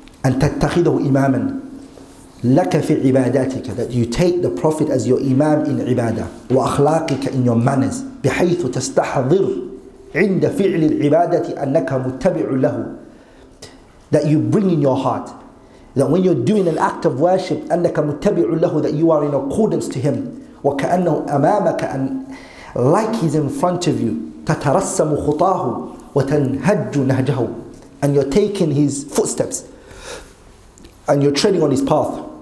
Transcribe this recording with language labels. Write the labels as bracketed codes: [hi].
[ar] أن تتخذه إماما لك في عباداتك. [en] That you take the Prophet as your imam in ibadah. [ar] وأخلاقك [en] in your manners. [ar] بحيث تستحضر عند فعل العبادة أنك متبع له. [en] That you bring in your heart, that when you're doing an act of worship, [ar] أَنَّكَ مُتَّبِعُ لَهُ, [en] that you are in accordance to him. [ar] وَكَأَنَّهُ أَمَامَكَ, [en] and like he's in front of you. [ar] تَتَرَسَّمُ خُطَاهُ وَتَنْهَجُّ نَهْجَهُ, [en] and you're taking his footsteps and you're treading on his path.